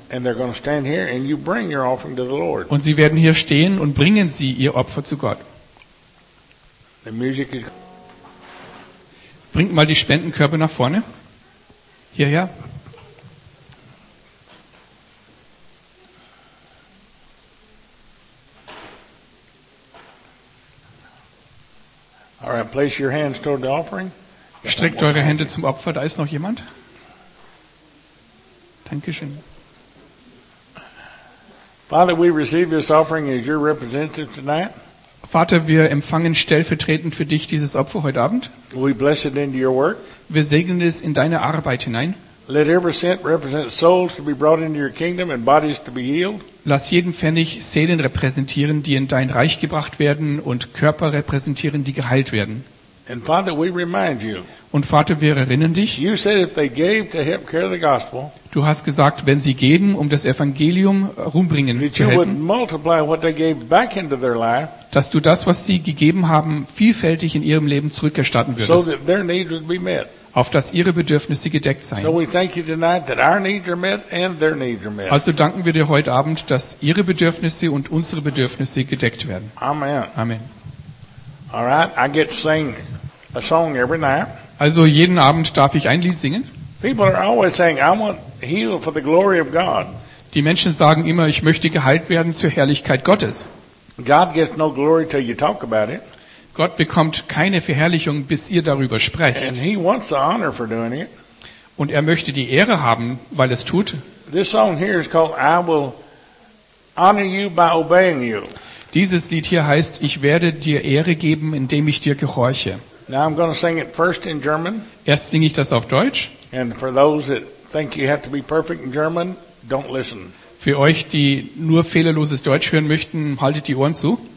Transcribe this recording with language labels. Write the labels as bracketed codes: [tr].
[en] And they're going to stand here and you bring your offering to the Lord. [de] Und sie werden hier stehen und bringen sie ihr Opfer zu Gott. [en] The music is... [de] Bringt mal die Spendenkörbe nach vorne. Hierher. [en] All right, place your hands toward the offering. [de] Streckt eure Hände zum Opfer, da ist noch jemand. Dankeschön. [en] Father, we receive this offering as your representative tonight. [de] Vater, wir empfangen stellvertretend für dich dieses Opfer heute Abend. [en] We bless it into your work. [de] Wir segnen es in deine Arbeit hinein. [en] Let every cent represent souls to be brought into your kingdom and bodies to be healed. [de] Lass jeden Pfennig Seelen repräsentieren, die in dein Reich gebracht werden und Körper repräsentieren, die geheilt werden. [en] And Father, we remind you. [de] Und Vater, wir erinnern dich. [en] You said if they gave to help carry the gospel. [de] Du hast gesagt, wenn sie geben, um das Evangelium rumbringen zu helfen. [en] That you would multiply what they gave back into their life. [de] Dass du das, was sie gegeben haben, vielfältig in ihrem Leben zurückerstatten würdest. [en] So that their needs would be met. [de] Auf dass ihre Bedürfnisse gedeckt seien. Also danken wir dir heute Abend, dass ihre Bedürfnisse und unsere Bedürfnisse gedeckt werden. [en] Amen. All right, I get to sing a song every night. [de] Also jeden Abend darf ich ein Lied singen. [en] People are always saying, I want healed for the glory of God. [de] Die Menschen sagen immer, ich möchte geheilt werden zur Herrlichkeit Gottes. [en] God gets no glory till you talk about it. [de] Gott bekommt keine Verherrlichung, bis ihr darüber sprecht. [en] And he wants the honor for doing it. [de] Und er möchte die Ehre haben, weil es tut. [en] This song here is called, I will honor you by obeying you. [de] Dieses Lied hier heißt, ich werde dir Ehre geben, indem ich dir gehorche. [en] Now I'm going to sing it first in German. [de] Erst singe ich das auf Deutsch. [en] And for those that think you have to be perfect in German, don't listen. [de] Für euch, die nur fehlerloses Deutsch hören möchten, haltet die Ohren zu.